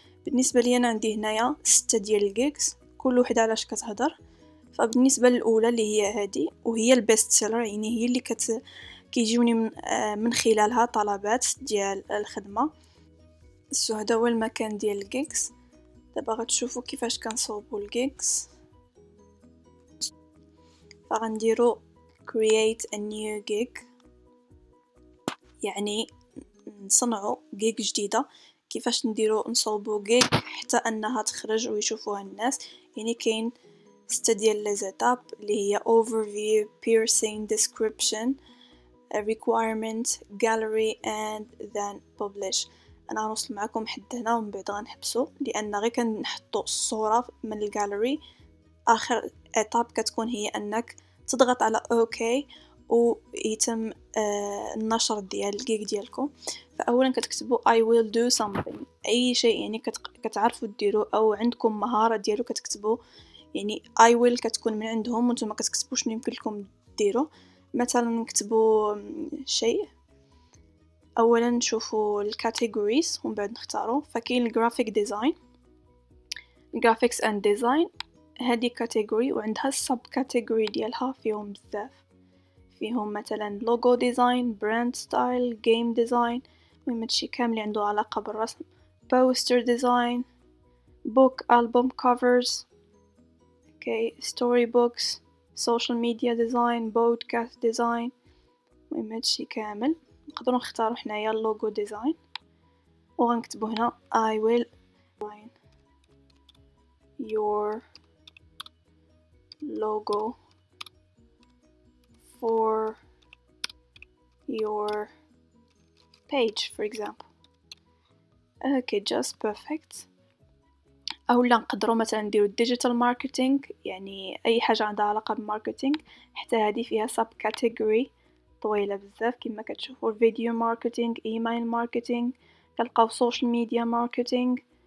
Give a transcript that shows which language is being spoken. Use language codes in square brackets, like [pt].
[ar] بالنسبه لي انا عندي هنايا 6 ديال الجيكس، كل وحده علاش كتهضر. فبالنسبه للاولى اللي هي هادي وهي البيست سيلر، يعني هي اللي كيجوني من خلالها طلبات ديال الخدمه. سو هذا هو المكان ديال الجيكس. دابا غتشوفوا كيفاش كنصوبوا الجيكس. غنديرو [en] create a new gig، [ar] يعني نصنعو gig جديدة. كيفاش نديرو نصوبو gig حتى انها تخرج ويشوفوها الناس؟ يعني كاين 6 ديال لزيتاب اللي هي [en] overview, piercing, description، requirement, gallery and then publish. [ar] انا غنوصل معكم حد هنا ومن بعد غنحبسوا لان غير كنحطوا الصوره من الجاليري. اخر ايتاب كتكون هي انك تضغط على اوكي ويتم النشر ديال الجيك ديالكم. فاولا كتكتبوا [en] I will do something, [ar] اي شيء يعني كتعرفوا ديرو او عندكم مهارة ديالو كتكتبوا, يعني [en] I will [ar] كتكون من عندهم وانتم ما كتكتبوا شنو يمكن لكم ديرو. مثلا نكتبوا شيء, اولا نشوفوا الكاتيجوريز ومن بعد نختاروا. فكاين الجرافيك ديزاين, جرافيكس اند ديزاين, هذه كاتيجوري وعندها السب كاتيجوري ديالها فيهم بزاف, فيهم مثلا لوجو ديزاين, براند ستايل, جيم ديزاين, ماشي كامل عنده علاقه بالرسم, بوستر ديزاين, بوك, البوم كفرز, اوكي, ستوري بوكس, سوشيال ميديا ديزاين, بودكاست ديزاين, ماشي كامل. نقدروا نختاروا حنايا اللوجو ديزاين وغنكتبوا هنا [en] I will design your logo for your page for example. Okay, just perfect. [ar] اولا نقدروا مثلا نديروا digital marketing, يعني اي حاجة عندها علاقة بالماركتينج, حتى هذه فيها sub category طويلة بزاف كما كتشوفوا, فيديو ماركتينج, ايميل ماركتينج, تلقاو سوشيال ميديا ماركتينج,